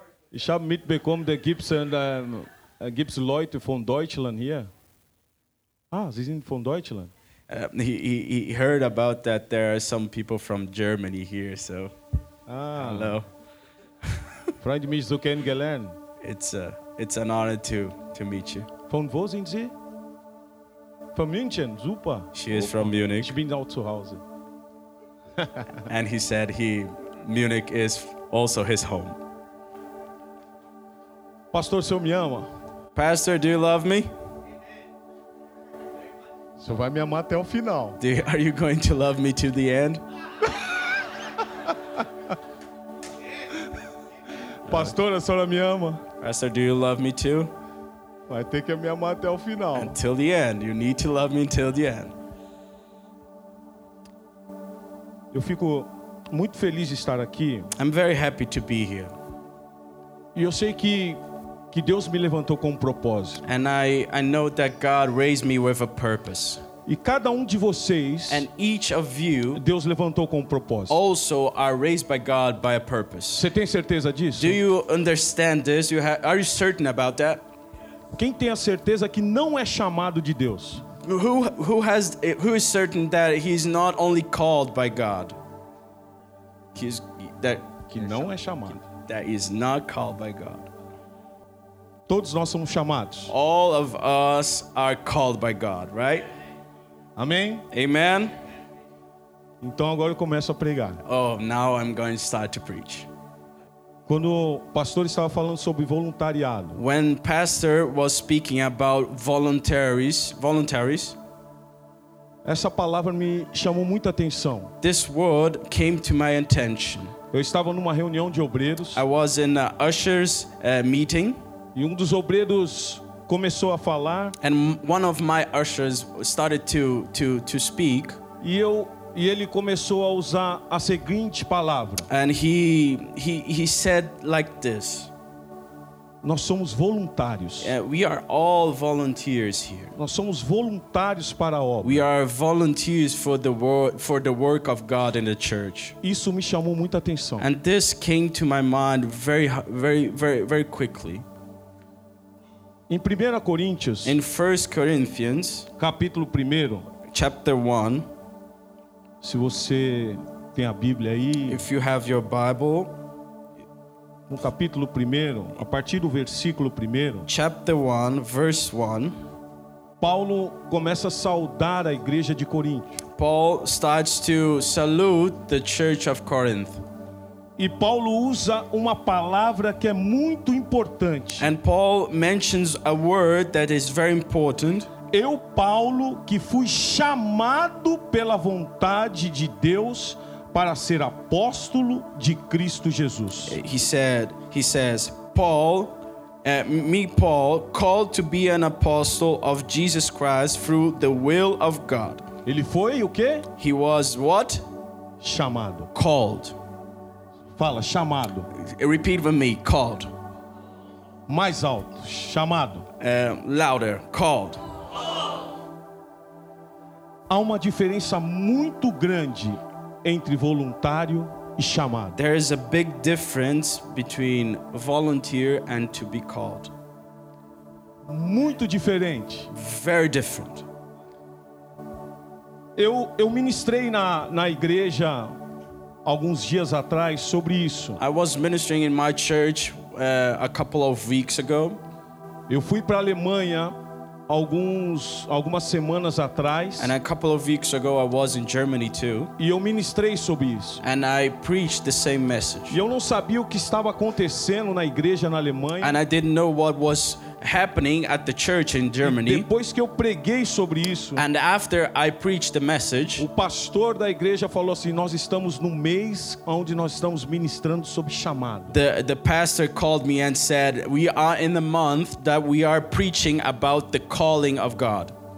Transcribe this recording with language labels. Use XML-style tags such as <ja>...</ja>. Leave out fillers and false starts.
<de>Ich habe mitbekommen, da gibt's Leute von Deutschland hier. Ah, sie sind von Deutschland.</de> <en>He heard about that there are some people from Germany here, so. Ah. Hello.</en> <de>Freut mich zu kennengelernen.</de> <en>It's an honor to meet you.</en> <de>Von wo sind Sie?</de> <en>From</en> <de>München, super.</de> <en>She is from Munich.</en> <de>Ich bin auch zu Hause.</de> <en>And he said Munich is also his home.</en> <pt>Pastor, você me ama?</pt> <en>Pastor, do you love me?</en> <pt>Você vai me amar até o final.</pt> <en>Are you going to love me to the end?</en> <pt>Pastor, a senhora me ama?</pt> <en>Pastor, do you love me too?</en> <pt>Vai ter que me amar até o final.</pt> <en>Until the end. You need to love me until the end.</en> <pt>Eu fico muito feliz de estar aqui.</pt> <en>I'm very happy to be here.</en> <pt>E eu sei que Deus me levantou com um propósito.</pt> <en>And I know that God raised me with a purpose.</en> <pt>E cada de vocês,</pt> <en>and each of you,</en> <pt>Deus levantou com um propósito.</pt> <en>Also are raised by God by a purpose.</en> <pt>Você tem certeza disso?</pt> <en>Do you understand this? Are you certain about that?</en> <pt>Quem tem a certeza que não é chamado de Deus?</pt> <en>Who is certain that he's not only called by God?</en> <pt>Que não é chamado.</pt> <en>That is not called by God.</en> <pt>Todos nós somos chamados.</pt> <en>All of us are called by God, right?</en> <pt>Amém.</pt> <en>Amen.</en> <pt>Então agora eu começo a pregar.</pt> <en>Oh, now I'm going to start to preach.</en> <pt>Quando o pastor estava falando sobre voluntariado.</pt> <en>When pastor was speaking about voluntaries.</en> <pt>Essa palavra me chamou muita atenção.</pt> <en>This word came to my attention.</en> <pt>Eu estava numa reunião de obreiros.</pt> <en>I was in an usher's meeting.</en> <pt>E dos obreiros começou a falar.</pt> <en>And one of my ushers started to speak.</en> <pt>E ele começou a usar a seguinte palavra.</pt> <en>And he said like this.</en> <pt>Nós somos voluntários.</pt> <en>We are all volunteers here.</en> <pt>Nós somos voluntários para a obra.</pt> <en>We are volunteers for the work of God in the church.</en> <pt>Isso me chamou muita atenção.</pt> <en>And this came to my mind very very very very quickly.</en> <pt>Em 1 Coríntios,</pt> <en>in 1 Corinthians,</en> <pt>capítulo 1,</pt> <en>chapter 1.</en> <pt>Se você tem a Bíblia aí,</pt> <en>if you have your Bible,</en> <pt>no capítulo 1, a partir do versículo 1,</pt> <en>chapter 1, verse 1,</en> <pt>Paulo começa a saudar a igreja de Corinto.</pt> <en>Paul starts to salute the church of Corinth.</en> <pt>E Paulo usa uma palavra que é muito importante.</pt> <en>And Paul mentions a word that is very important.</en> <pt>Eu, Paulo, que fui chamado pela vontade de Deus para ser apóstolo de Cristo Jesus.</pt> <en>He says, Paul, me Paul, called to be an apostle of Jesus Christ through the will of God.</en> <pt>Ele foi o quê?</pt> <en>He was what?</en> <pt>Chamado.</pt> <en>Called.</en> <pt>Fala, chamado.</pt> <en>Repeat with me, called.</en> <pt>Mais alto, chamado.</pt> <en>Louder, called.</en> <pt>Há uma diferença muito grande entre voluntário e chamado.</pt> <en>There is a big difference between volunteer and to be called.</en> <pt>Muito diferente.</pt> <en>Very different.</en> <pt>Eu ministrei na igreja alguns dias atrás sobre isso.</pt> <en>I was ministering in my church a couple of weeks ago.</en> <pt>Eu fui para a Alemanha algumas semanas atrás.</pt> <en>And a couple of weeks ago I was in Germany too.</en> <pt>E eu ministrei sobre isso.</pt> <en>And I preached the same message.</en> <pt>E eu não sabia o que estava acontecendo na igreja na Alemanha.</pt> <en>And I didn't know what was happening at the church in Germany.</en> <pt>E depois que eu preguei sobre isso,</pt> <en>and after I preached the message,</en> <pt>o pastor da igreja falou assim: nós estamos no mês onde nós estamos ministrando sobre chamado.</pt> <en>The pastor called me and said, we are in the month that we are preaching about the calling of God.</en>